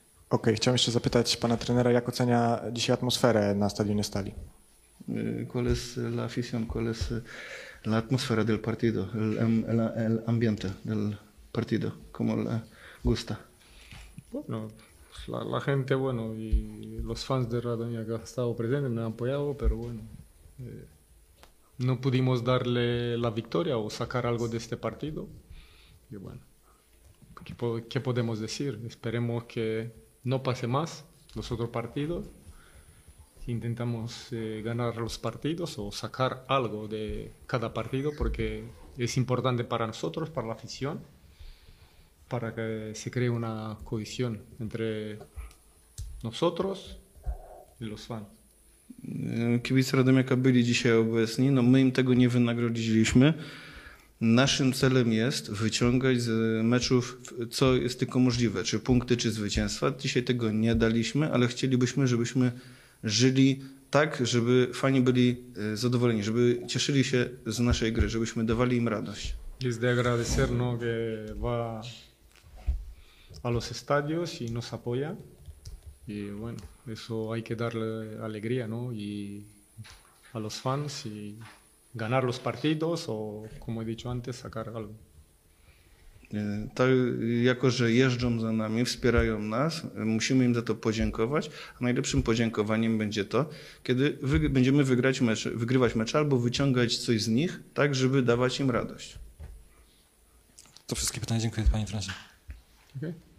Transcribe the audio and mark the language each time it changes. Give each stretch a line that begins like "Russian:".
Polish: Okej, chciałem jeszcze zapytać pana trenera, jak ocenia dzisiaj atmosferę na stadionie Stali?
Spanish: ¿Cuál es la afición, cuál es la atmósfera del partido, el ambiente del partido, cómo le gusta? Bueno, la gente, bueno, y los fans de Radomia que han estado presentes, me han apoyado, pero bueno, no pudimos darle la victoria o sacar algo de este partido. Y bueno, ¿qué podemos decir? Esperemos que no pase más los otros partidos. Intentamos ganar los partidos o sacar algo de cada partido porque es importante para nosotros, para la afición, para que se cree una cohesión entre nosotros y los fans.
Polish: Kibice Radomiaka byli dzisiaj obecni, no my im tego nie wynagrodziliśmy. Naszym celem jest wyciągać z meczów, co jest tylko możliwe, czy punkty, czy zwycięstwa. Dzisiaj tego nie daliśmy, ale chcielibyśmy, żebyśmy żyli tak, żeby fani byli zadowoleni, żeby cieszyli się z naszej gry, żebyśmy dawali im radość.
Spanish: Jest de agradecer, no, que va a los estadios y nos apoya. Y bueno, eso hay que darle alegría, ¿no? Y a los fans y ganar los partidos o, como he dicho antes, sacar algo.
Polish: Tak, jako że jeżdżą za nami, wspierają nas, musimy im za to podziękować, a najlepszym podziękowaniem będzie to, kiedy będziemy wygrywać mecz albo wyciągać coś z nich, tak żeby dawać im radość. To wszystkie pytania, dziękuję panie trenerze. Okay.